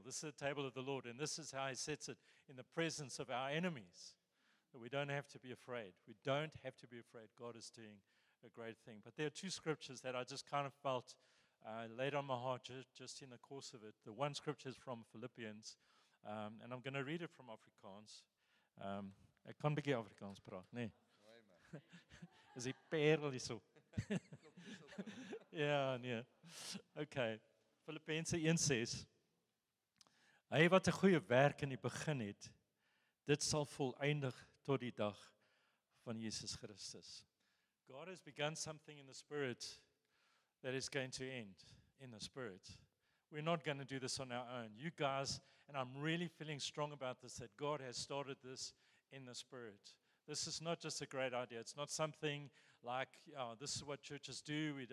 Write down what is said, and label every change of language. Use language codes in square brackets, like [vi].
[en] This is a table of the Lord, and this is how he sets it, in the presence of our enemies. That we don't have to be afraid. We don't have to be afraid. God is doing a great thing. But there are two scriptures that I just kind of felt laid on my heart just in the course of it. The one scripture is from Philippians, and I'm going to read it from Afrikaans. [af] Ek kan bietjie Afrikaans praat, nê? Is die perel hierso? Ja, nee. Okay. Filippense 1 sê: Hy wat 'n goeie werk in die begin het, dit sal volëindig tot die dag van Jesus Christus. [en] God has begun something in the spirit that is going to end in the spirit. We're not going to do this on our own. You guys, and I'm really feeling strong about this, that God has started this in the spirit. This is not just a great idea. It's not something like, this is what churches do.